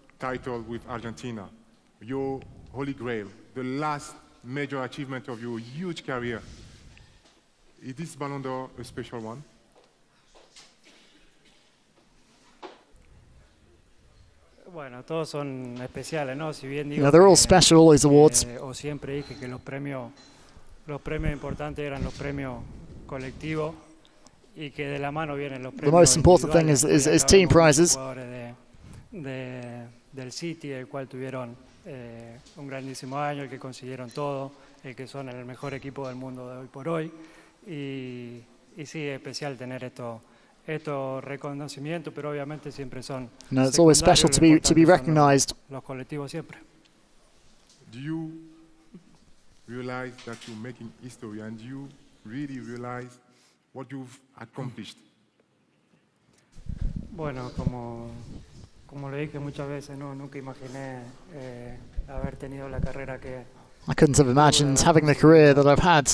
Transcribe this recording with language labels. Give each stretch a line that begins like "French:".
English: Title with Argentina, your holy grail, the last major achievement of your huge career. Is this Ballon d'Or a special one?
Spanish: Well, Bueno, todos son especiales, ¿no? Si bien digo,
English: you know, they're all special, all these awards.
Spanish: O siempre dije que los premios importantes eran los premios colectivos y que de la mano vienen los premios.
English: The most important thing is team prizes.
Spanish: Del City, el cual tuvieron un grandísimo año, el que consiguieron todo, el que son el mejor equipo del mundo de hoy por hoy. Y sí, es especial tener estos reconocimientos, pero obviamente siempre son.
English: No, it's always special to be recognized.
Spanish: Los colectivos siempre.
English: Do you realize that you're making history, and do you really realize what you've accomplished?
Spanish: Bueno, como le dije muchas veces, no, nunca imaginé haber tenido la carrera que.
English: I couldn't have imagined having the career that I've had.